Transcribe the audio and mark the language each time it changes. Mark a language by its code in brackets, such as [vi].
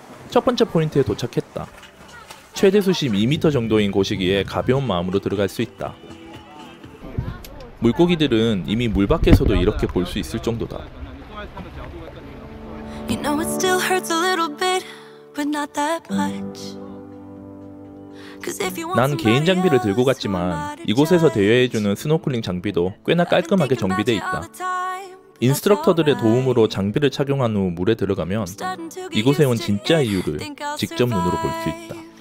[ko] 첫 번째 포인트에 도착했다. 최대 수심 2m 정도인 곳이기에 가벼운 마음으로 들어갈 수 있다. 물고기들은 이미 물 밖에서도 이렇게 볼 수 있을 정도다. [en] You know it still hurts a little bit, but not that much. [ko] 난 개인 장비를 들고 갔지만 이곳에서 대여해주는 스노클링 장비도 꽤나 깔끔하게 정비돼 있다. 인스트럭터들의 도움으로 장비를 착용한 후 물에 들어가면 이곳에 온 진짜 이유를 직접 눈으로 볼 수 있다.